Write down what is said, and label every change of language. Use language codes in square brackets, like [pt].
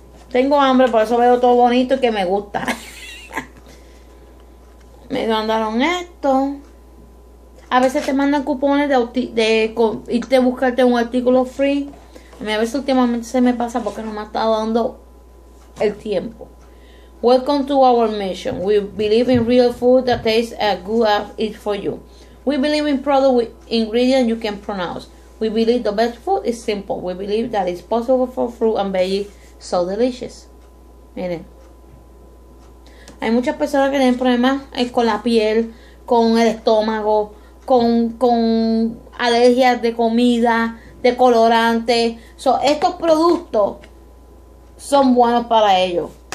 [es] Tengo hambre, por eso veo todo bonito y que me gusta. Me mandaron esto. A veces te mandan cupones de irte a buscarte un artículo free. A mí a veces últimamente se me pasa porque no me ha estado dando el tiempo. [en] Welcome to our mission. We believe in real food that tastes as good as it for you. We believe in products with ingredients you can pronounce. We believe the best food is simple. We believe that it's possible for fruit and veggies so delicious. [es] Miren. Hay muchas personas que tienen problemas con la piel, con el estómago, con alergias de comida, de colorante. So, estos productos son buenos para ellos.